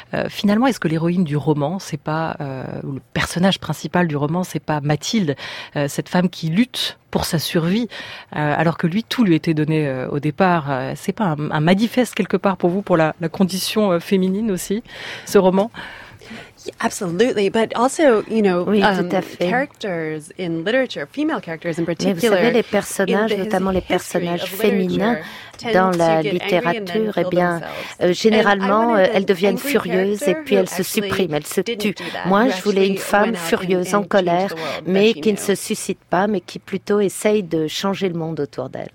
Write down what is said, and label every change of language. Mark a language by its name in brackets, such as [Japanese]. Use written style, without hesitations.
[French] Finalement, est-ce que l'héroïne du roman, c'est pas, ou le personnage principal du roman, c'est pas Mathilde, cette femme qui lutte pour sa survie, alors que lui, tout lui était donné au départ? C'est pas un manifeste quelque part pour vous, pour la condition féminine aussi, ce roman? [English] Absolutely, but also, you know, characters in literature, female characters in particular. [French] Mais vous savez, les personnages, notamment les personnages féminins dans la littérature, eh bien, généralement, elles deviennent furieuses et puis elles se suppriment, elles se tuent. Moi, je voulais une femme furieuse, en colère, mais qui ne se suscite pas, mais qui plutôt essaye de changer le monde autour d'elle.